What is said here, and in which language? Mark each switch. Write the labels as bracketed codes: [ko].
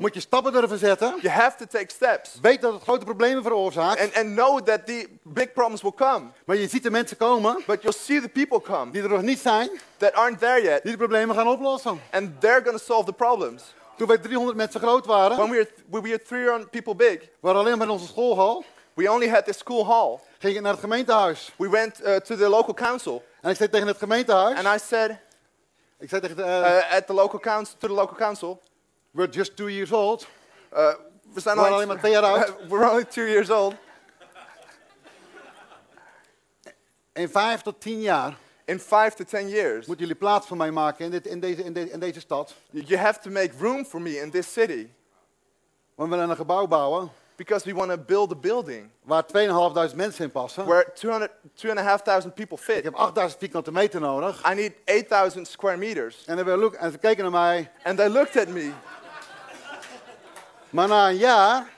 [nl] moet je stappen durven zetten. [en] You have to take steps. [nl] Weet dat het grote problemen veroorzaakt. [en] And know that the big problems will come. [nl] Maar je ziet de mensen komen, [en] but you'll see the people come, [nl] die er nog niet zijn, [en] that aren't there yet, [nl] die de problemen gaan oplossen. [en] And they're going to solve the problems. [nl] Toen wij 300 mensen groot waren, [en] when we were 300 people big, [nl] we waren alleen maar in onze schoolhal. [en] We only had the school hall. [nl] Ging ik naar het gemeentehuis. [en] We went to the local council. [nl] En ik zei tegen het gemeentehuis. [en] And I said, [nl] ik zei tegen de, [en] at the local council, to the local council. We're just 2 years old. [nl] We zijn alleen maar 2 jaar oud. [en] We're only 2 years old. In 5 to 10 years. In 5 to 10 years. [nl] Moeten jullie plaats voor mij maken in deze stad. [en] You have to make room for me in this city. [nl] We willen een gebouw bouwen. [en] Because we want to build a building [nl] waar 2,500 mensen in passen. [en] Where 2,500 people fit. [nl] Ik heb 8,000 vierkante meter nodig. [en] I need 8,000 square meters. [nl] En [en] they look and [nl] ze keken naar mij. [en] And they looked at me. [nl] Maar na een jaar,